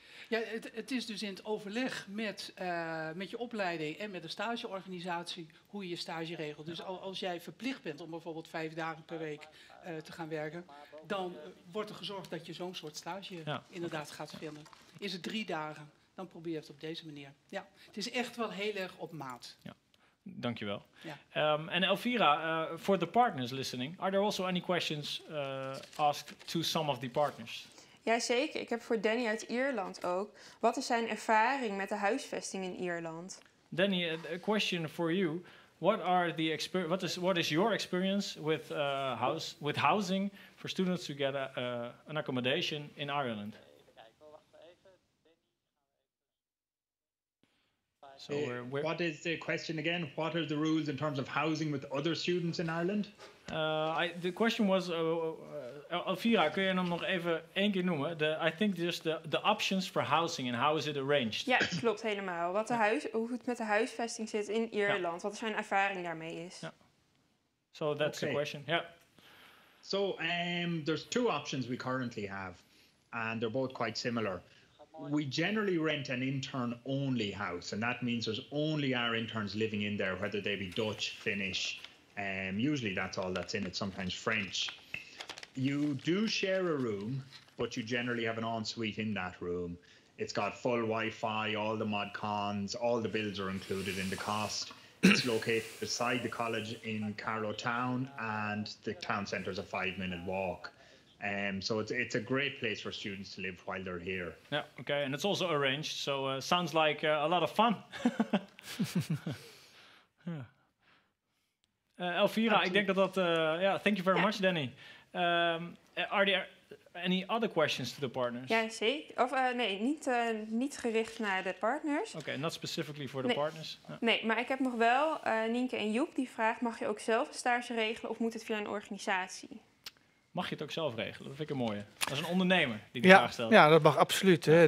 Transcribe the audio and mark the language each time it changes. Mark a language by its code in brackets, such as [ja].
[nl] Ja, het is dus in het overleg met je opleiding en met de stageorganisatie hoe je je stage regelt. Dus als jij verplicht bent om bijvoorbeeld 5 dagen per week te gaan werken, dan wordt er gezorgd dat je zo'n soort stage inderdaad gaat vinden. Is het 3 dagen, dan probeer je het op deze manier. Ja, het is echt wel heel erg op maat. Ja. Dankjewel. [en] En Elvira, for the partners listening, are there also any questions asked to some of the partners? [nl] Jazeker. Ik heb voor Danny uit Ierland ook. Wat is zijn ervaring met de huisvesting in Ierland? [en] Danny, a question for you. What is your experience with housing for students to get an accommodation in Ireland? So what is the question again? What are the rules in terms of housing with other students in Ireland? The question was, [nl] Alfira, kun je hem nog even één keer noemen? [en] I think just the options for housing and how is it arranged? [nl] Ja, klopt helemaal. Hoe het met de huisvesting zit in Ierland, wat zijn ervaring daarmee is. [en] So that's the question, So there's two options we currently have, and they're both quite similar. We generally rent an intern-only house, and that means there's only our interns living in there, whether they be Dutch, Finnish. Usually that's all that's in it, sometimes French. You do share a room, but you generally have an ensuite in that room. It's got full Wi-Fi, all the mod cons, all the bills are included in the cost. It's located beside the college in Carlow Town, and the town centre is a 5-minute walk. So it's a great place for students to live while they're here. Yeah, okay, and it's also arranged, so sounds like a lot of fun. Elvira, I think that, thank you very much, Danny. Are there any other questions to the partners? Yeah, see. [nl] Niet gericht naar de partners. [en] Okay, not specifically for the partners. [nl] Nee, maar ik heb nog wel Nienke en Joep die vragen, mag je ook zelf een stage regelen of moet het via een organisatie? Mag je het ook zelf regelen? Dat vind ik een mooie. Dat is een ondernemer die de vraag stelt. Ja, dat mag absoluut. Hè.